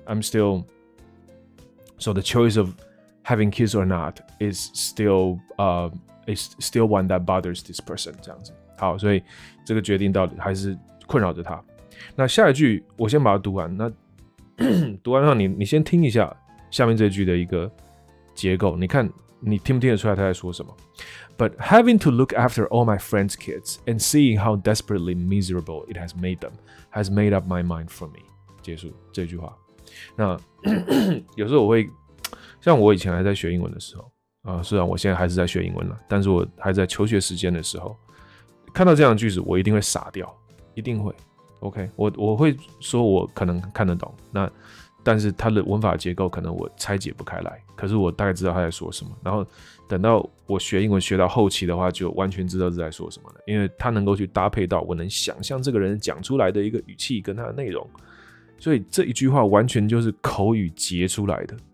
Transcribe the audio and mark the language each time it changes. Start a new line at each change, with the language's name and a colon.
English: I'm still so the choice of having kids or not is still one that bothers this person
Chinese: 这样子。好，所以这个决定到底还是困扰着他。那下一句我先把它读完，那读完后你先听一下下面这句的一个结构，你看你听不听得出来他在说什么。
English: But having to look after all my friends' kids and seeing how desperately miserable it has made them has made up my mind for me.
Chinese: 结束这句话。那有时候我会，像我以前还在学英文的时候，虽然我现在还是在学英文了，但是我还在求学时间的时候，看到这样的句子，我一定会傻掉，一定会。 OK， 我会说我可能看得懂，那但是它的文法结构可能我拆解不开来，可是我大概知道他在说什么。然后等到我学英文学到后期的话，就完全知道是在说什么了，因为他能够去搭配到我能想象这个人讲出来的一个语气跟他的内容，所以这一句话完全就是口语截出来的。